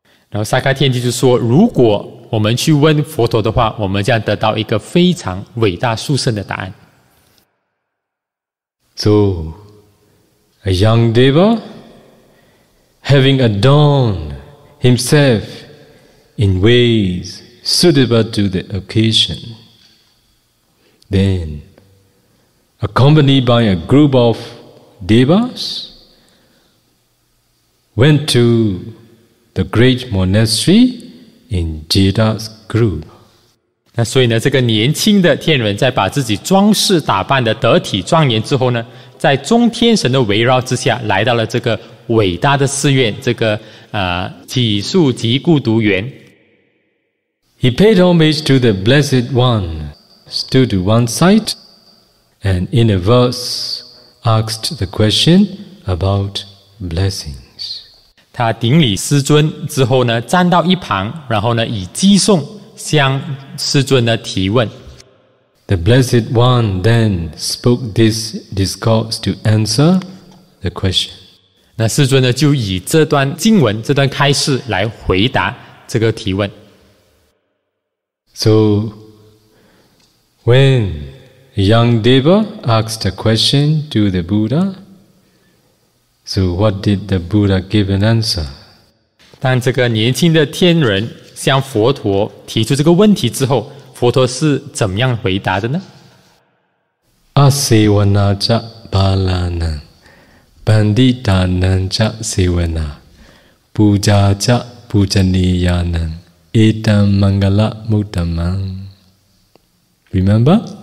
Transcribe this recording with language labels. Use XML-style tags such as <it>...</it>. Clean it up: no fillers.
<zh>然后萨迦天帝就说，如果我们去问佛陀的话，我们将得到一个非常伟大殊胜的答案。</zh> <en>So, a young Deva, having adorned himself in ways suitable to the occasion, then,Accompanied by a group of devas, went to the great monastery in Jeta's group.</en> <zh>那所以呢，这个年轻的天人在把自己装饰打扮的得体庄严之后呢，在众天神的围绕之下，来到了这个伟大的寺院，这个几树吉孤独园。</zh> <en>He paid homage to the Blessed One, stood to one side. And in a verse, asked the question about blessings.</en> <zh>他顶礼师尊之后呢，站到一旁，然后呢，以偈颂向师尊呢提问。</zh> <en>The Blessed One then spoke this discourse to answer the question.</en> <zh>那师尊呢，就以这段经文、这段开示来回答这个提问。</zh> <en>So, when... A young Deva asked a question to the Buddha. So what did the Buddha give an answer?</en> <zh>当这个年轻的天人向佛陀提出这个问题之后，佛陀是怎么样回答的呢？</zh> <pi>Asevana ca balana Panditanan ca sevana Puja ca pujaniyana Etam mangala mutaman</pi> <en>Remember?</en>